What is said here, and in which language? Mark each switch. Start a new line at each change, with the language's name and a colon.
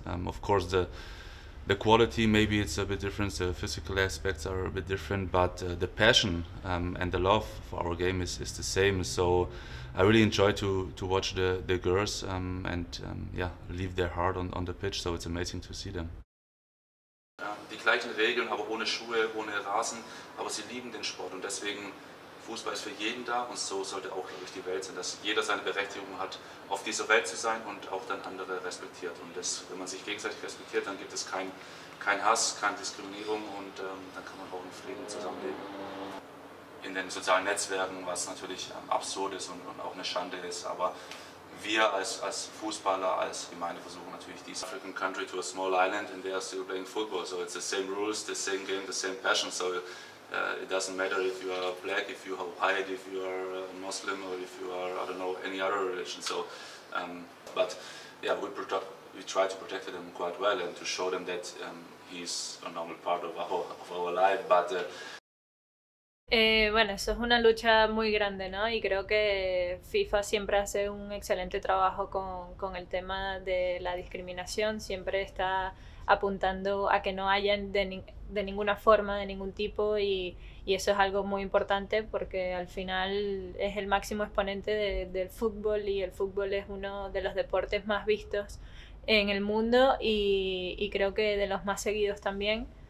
English: Of course, the quality, maybe it's a bit different, the physical aspects are a bit different, but the passion and the love for our game is the same. So I really enjoy to watch the girls leave their heart on the pitch. So it's amazing to see them.
German: Die gleichen Regeln, aber ohne Schuhe, ohne Rasen, aber sie lieben den Sport, und deswegen Fußball ist für jeden da, und so sollte auch, glaube ich, die Welt sein, dass jeder seine Berechtigung hat, auf dieser Welt zu sein, und auch dann andere respektiert. Und das, wenn man sich gegenseitig respektiert, dann gibt es kein Hass, keine Diskriminierung, und dann kann man auch in Frieden zusammenleben. In den sozialen Netzwerken, was natürlich absurd ist und auch eine Schande ist, aber wir als Fußballer, als Gemeinde versuchen natürlich, dieses
English: African country to a small island, and they are still playing football. So it's the same rules, the same game, the same passion. So it doesn't matter if you are black, if you are white, if you are Muslim, or if you are, I don't know, any other religion. So, but yeah, we try to protect them quite well, and to show them that he's a normal part of our life. But
Spanish: bueno, eso es una lucha muy grande, ¿no? Y creo que FIFA siempre hace un excelente trabajo con el tema de la discriminación. Siempre está apuntando a que no haya de ninguna forma, de ningún tipo, y eso es algo muy importante, porque al final es el máximo exponente del fútbol, y el fútbol es uno de los deportes más vistos en el mundo, y creo que de los más seguidos también.